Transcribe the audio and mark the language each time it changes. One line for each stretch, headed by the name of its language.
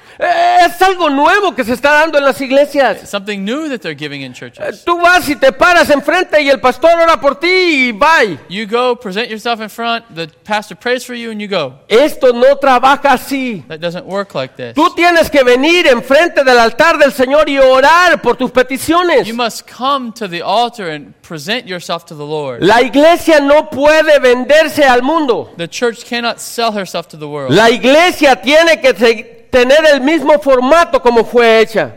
Spanish: Es algo nuevo que se está dando en las iglesias.
English: Something new that they're giving in churches.
Spanish: Tú vas y te paras enfrente y el pastor ora por ti y
English: bye. You go, present yourself in front, the pastor prays for you and you go.
Spanish: Esto no trabaja así.
English: That doesn't work like this.
Spanish: Tú tienes que venir enfrente del altar del Señor y orar por tus peticiones.
English: You must come to the altar and present yourself to the Lord.
Spanish: La iglesia no puede venderse al mundo.
English: The church cannot sell herself to the world.
Spanish: La iglesia tiene que tener el mismo formato como fue hecha.